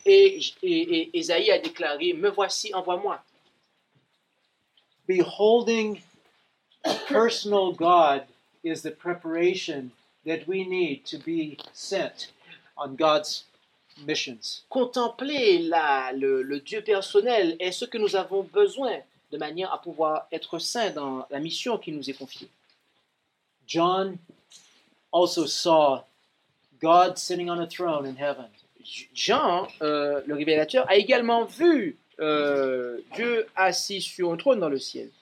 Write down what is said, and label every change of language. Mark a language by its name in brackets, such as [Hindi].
[French] Et Ésaïe a déclaré, "Me voici, envoie-moi." [English] Beholding a personal God is the preparation that we need to be sent on God's missions. [French] Contempler le Dieu personnel est ce que nous avons besoin de manière à pouvoir être saints dans la mission qui nous est confiée. [English] John also saw God sitting on a throne in heaven. [French] Jean, le révélateur, a également vu Dieu assis sur un trône dans le ciel.